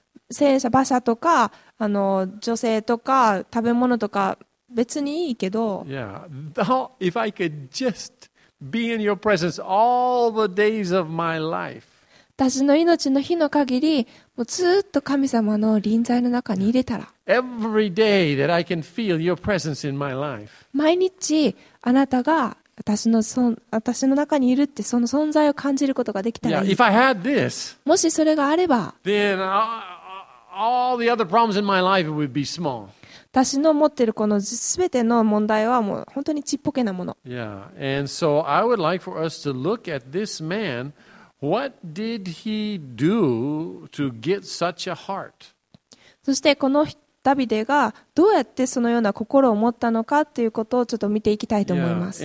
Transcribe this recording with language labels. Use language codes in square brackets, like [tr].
[ja] 戦車、馬車とか、女性とか、食べ物とか、別にいいけど。 [en] Yeah. If I could just be in your presence all the days of my life. [ja] 私の命の日の限り、もうずっと神様の臨在の中に入れたら。 [en] Every day that I can feel your presence in my life. [ja] 毎日あなたが私の中にいるってその存在を感じることができたらいい。 [en] Yeah, if I had this, [ja] もしそれがあれば、 [en] then all the other problems in my life would be small. [ja] 私の持っているこの全ての問題はもう本当にちっぽけなもの。 [en] Yeah, and so I would like for us to look at this man. What did he do to get such a heart? [ja] そしてこのダビデがどうやってそのような心を持ったのかということをちょっと見ていきたいと思います。